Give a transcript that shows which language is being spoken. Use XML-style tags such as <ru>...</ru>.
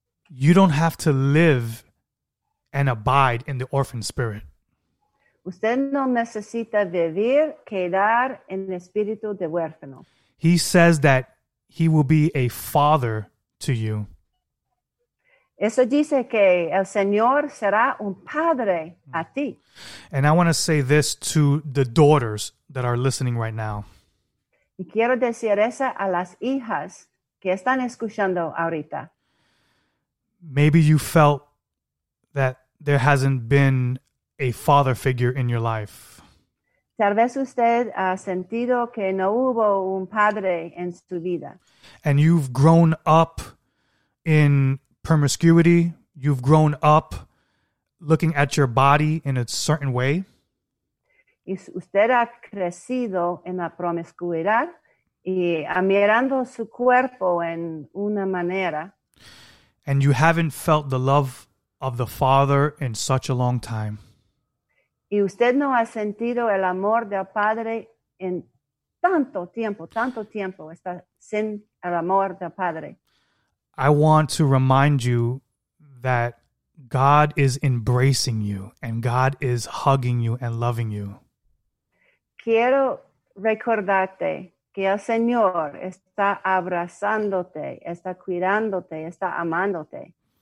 <en>You don't have to live and abide in the orphan spirit.</en> <es>Usted no necesita vivir, quedar en el espíritu de huérfano.</es> <en>He says that he will be a father to you.</en> <es>Eso dice que el Señor será un padre a ti.</es> <en>And I want to say this to the daughters that are listening right now.</en> <es>Y quiero decir eso a las hijas que están escuchando ahorita.</es> <en>Maybe you felt that there hasn't been a father figure in your life.</en> <es>Tal vez usted ha sentido que no hubo un padre en su vida.</es> <en>And you've grown up in promiscuity. You've grown up looking at your body in a certain way.</en> <es>Y usted ha crecido en la promiscuidad y mirando su cuerpo en una manera.</es> <en>And you haven't felt the love of the Father in such a long time.</en> <es>Y usted no ha sentido el amor del Padre en tanto tiempo está sin el amor del Padre.</es> <en>I want to remind you that God is embracing you and God is hugging you and loving you.</en> <es>Quiero recordarte que el Señor está abrazándote, está cuidándote, está amándote.</es>